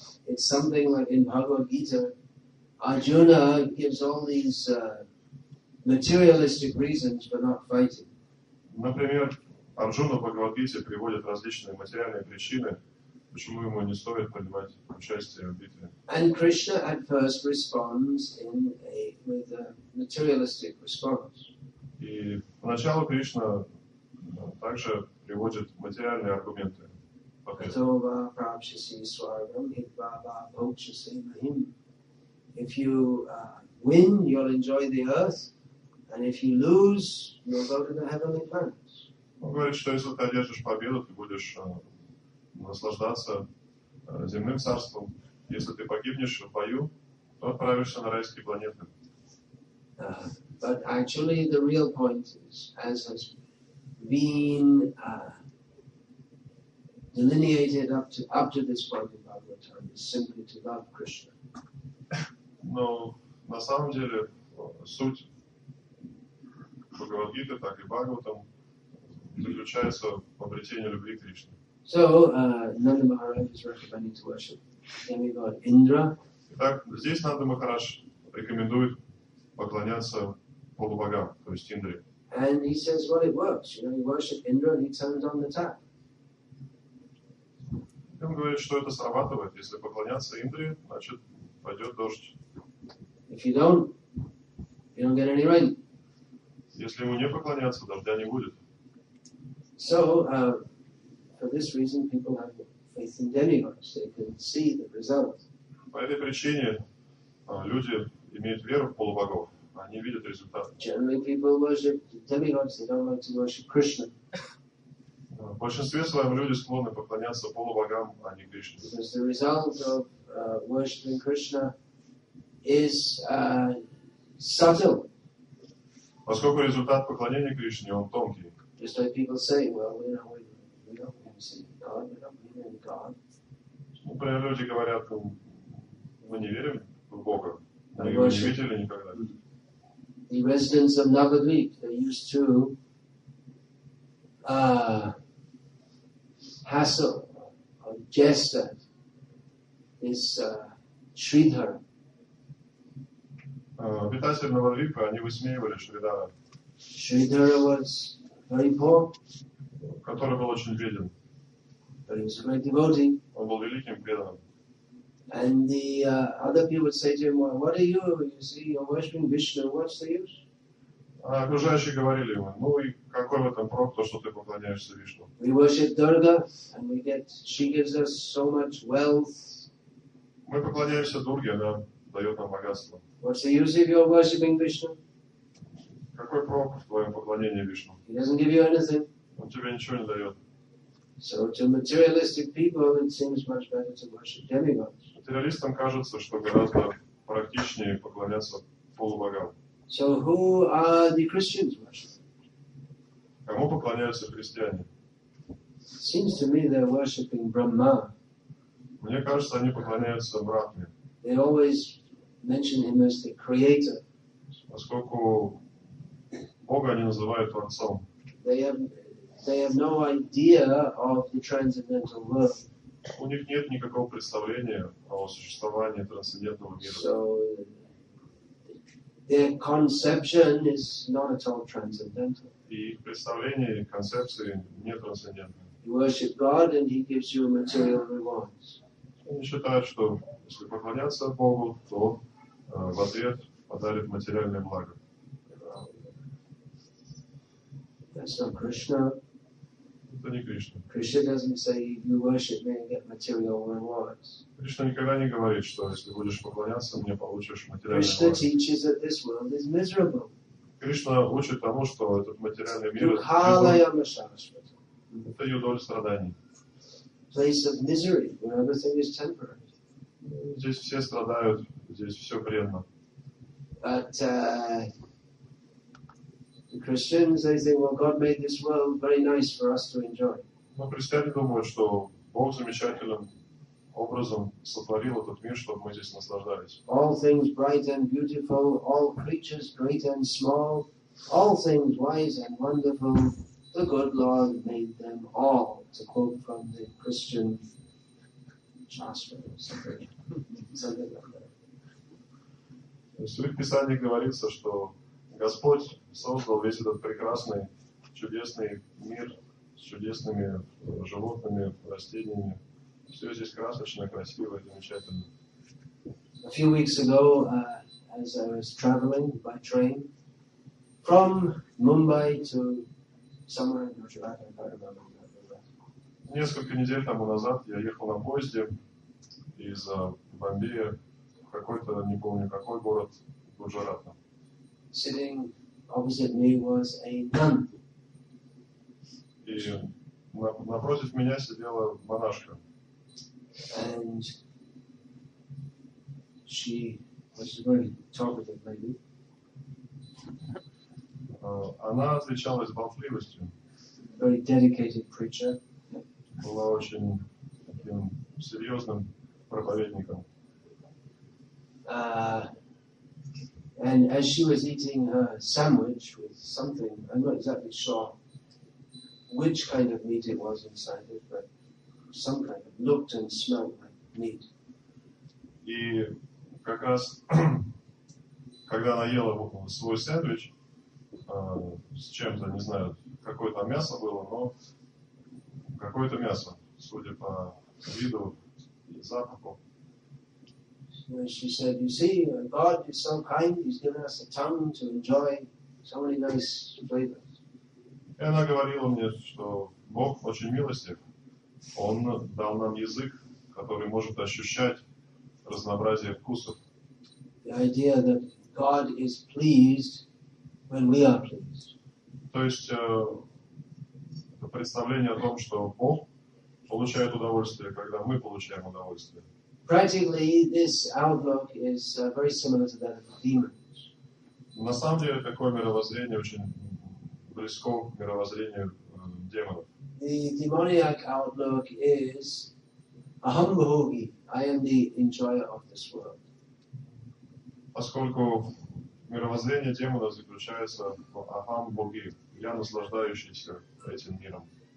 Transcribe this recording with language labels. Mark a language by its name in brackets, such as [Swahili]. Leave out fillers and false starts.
[English] It's something like in Bhagavad Gita, Arjuna gives all these materialistic reasons for not fighting. [Russian] Например, Арджуна в Бхагавад-гите приводит различные материальные причины, почему ему не стоит принимать участие в битве. [English] And Krishna at first responds with a materialistic response. [Russian] И поначалу Кришна также приводит материальные аргументы. [Sanskrit] Atova, prapshasi, swargam, hitva, va, pokshasi, mahim. [English] If you win, you'll enjoy the earth. And if you lose, you'll go to the heavenly planet. [Russian] Он говорит, что если ты одержишь победу, ты будешь наслаждаться земным царством. Если ты погибнешь в бою, то отправишься на райские планеты. [English] But actually the real point is, as has been delineated up to this point in Bhagavatam, is simply to love Krishna. [Russian] Но на самом деле суть Бхагавад-гиты, так и Бхагаватам, заключается в обретении любви Кришны. [English] So, Nanda Maharaj is recommending to worship demigod Indra. [Russian] Итак, здесь Нанда Махарадж рекомендует поклоняться полубогам, то есть Индре. [English] And he says, well, it works. You know, you worship Indra and he turns on the tap. [Russian] И он говорит, что это срабатывает. Если поклоняться Индре, значит, пойдет дождь. [English] If you don't, you don't get any rain. [Russian] Если ему не поклоняться, дождя не будет. [English] So, for this reason, people have faith in demigods. They can see the result. [Russian] По этой причине люди имеют веру в полубогов, они видят результат. [English] Generally people worship demigods, they don't like to worship Krishna. [Russian] В большинстве своем люди склонны поклоняться полубогам, а не Кришне. [English] Because the result of worshiping Krishna is subtle. [Russian] Поскольку результат поклонения Кришне, он тонкий. [English] Just like people say, well, you know, we don't believe in God, we don't believe in God. [Russian] Например, люди говорят, мы не верим в Бога, мы его не видели никогда. [English] The residents of Navadvip, they used to hassle or jest at this Shridhar. [Russian] Обитатели Навадвипа, они высмеивали Шридхара. [English] Шридхара was very poor. [Russian] Который был очень беден. [English] But he was a great devotee. [Russian] Он был великим преданным. [English] And the other people would say to him, well, what are you? You see, you're worshiping Vishnu, what's the use? [Russian] А окружающие говорили ему, ну и какой в этом прок, то, что ты поклоняешься Вишну? [English] We worship Durga, and we get, she gives us so much wealth. [Russian] Мы поклоняемся Дурге, она дает нам богатство. [English] What's the use if you're worshiping Vishnu? [Russian] Какой прок в твоем поклонении Вишну? [English] He doesn't give you anything. [Russian] Он тебе ничего не дает. [English] So to materialistic people, it seems much better to worship demigods. [Russian] Материалистам кажется, что гораздо практичнее поклоняться полубогам. [English] So who are the Christians worshiping? [Russian] Кому поклоняются христиане? [English] Seems to me they're worshiping Brahma. [Russian] Мне кажется, они поклоняются Брахме. [English] They always mention him as the creator. [Russian] Поскольку Бога они называют Творцом. [English] They have no idea of the transcendental world. [Russian] У них нет никакого представления о существовании трансцендентного мира. [English] So, their conception is not at all transcendental. [Russian] И представление, концепции не трансцендентны. [English] You worship God and he gives you material rewards. [Russian] Они считают, что если поклоняться Богу, то в ответ подарит материальное благо. [English] That's not Krishna. [Russian] Это не Кришна. [English] Krishna doesn't say you worship me and get material rewards. [Russian] Кришна никогда не говорит, что если будешь поклоняться мне, получишь материальное благо. [English] Krishna teaches that this world is miserable. [Russian] Кришна учит тому, что этот материальный мир это юдоль страданий. [English] Place of misery, where everything is temporary. [Russian] Здесь все страдают, здесь все бренно. [English] But the Christians, they think, well, God made this world very nice for us to enjoy. [Russian] Но христиане думают, что Бог замечательным образом сотворил этот мир, чтобы мы здесь наслаждались. [English] All things bright and beautiful, all creatures great and small, all things wise and wonderful, the good Lord made them all, to quote from the Christian Shastra or something like that. [Russian] В Святых Писаниях говорится, что Господь создал весь этот прекрасный, чудесный мир с чудесными животными, растениями. Все здесь красочно, красиво и замечательно. [English] A few weeks ago, as I was traveling by train from Mumbai to somewhere in Gujarat, I don't remember. [Russian] Несколько недель тому назад я ехал на поезде из Бомбея в какой-то, не помню какой город, Гуджарата. [English] Sitting opposite me was a nun. [Russian] И напротив меня сидела монашка. [English] And she was a very talkative lady. [Russian] Она отличалась болтливостью. [English] Very dedicated preacher. [Russian] Была очень таким серьезным проповедником. [English] And as she was eating her sandwich with something, I'm not exactly sure which kind of meat it was inside it, but some kind of looked and smelled like meat. [Russian] И как раз, когда она ела свой сэндвич, с чем-то, не знаю, какое там мясо было, но какое-то мясо, судя по виду и запаху. [English] She said, you see, God is so kind, he's given us a tongue to enjoy so many nice flavors. [Russian] И она говорила мне, что Бог очень милостив. Он дал нам язык, который может ощущать разнообразие вкусов. [English] idea that God is pleased when we are pleased. [Russian] То есть представление о том, что Бог получает удовольствие, когда мы получаем удовольствие. [English] Practically, this outlook is very similar to that of the demons. [Russian] На самом деле, такое мировоззрение очень близко к мировоззрению демонов. [English] The demoniac outlook is [Sanskrit] aham bhogi. [English] I am the enjoyer of this world. [Russian] Поскольку мировоззрение демона заключается в [Sanskrit] aham bhogi, [Russian] я наслаждающийся этим миром.